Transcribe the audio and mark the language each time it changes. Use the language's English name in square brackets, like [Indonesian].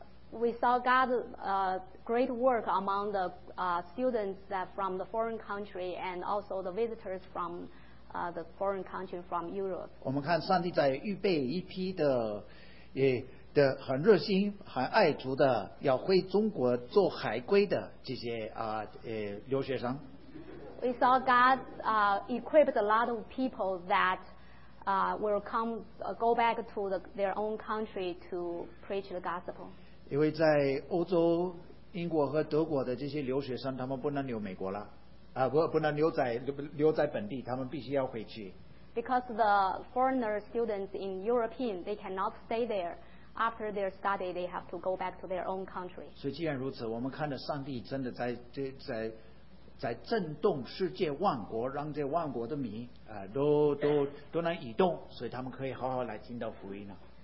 [English] We saw God's great work among the students from the foreign country and also the visitors from the foreign country from Europe. [Chinese] 我们看上帝在预备一批的很热心、很爱足的，要回中国做海归的这些留学生。 [English] We saw God equipped a lot of people that will come go back to their own country to preach the gospel. [Chinese] 因为在欧洲、英国和德国的这些留学生，他们不能留美国了，不能留在本地，他们必须要回去。 [English] Because the foreigner students in European, they cannot stay there. After their study, they have to go back to their own country. [Chinese] 所以既然如此，我们看着上帝真的在震动世界万国，让这万国的民都能移动，所以他们可以好好来听到福音了。